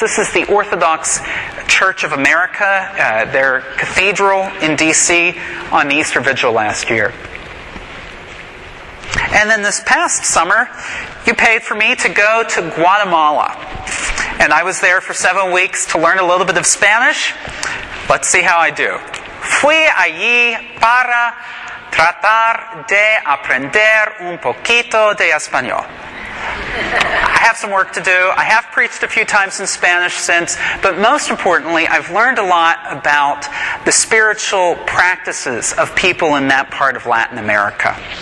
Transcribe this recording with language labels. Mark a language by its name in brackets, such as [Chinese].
[English] This is the Orthodox Church of America, their cathedral in D.C. on the Easter Vigil last year. And then this past summer, you paid for me to go to Guatemala. And I was there for 7 weeks to learn a little bit of Spanish. Let's see how I do. [Spanish] Fui allí para tratar de aprender un poquito de español. [English] I have some work to do. I have preached a few times in Spanish since, but most importantly, I've learned a lot about the spiritual practices of people in that part of Latin America.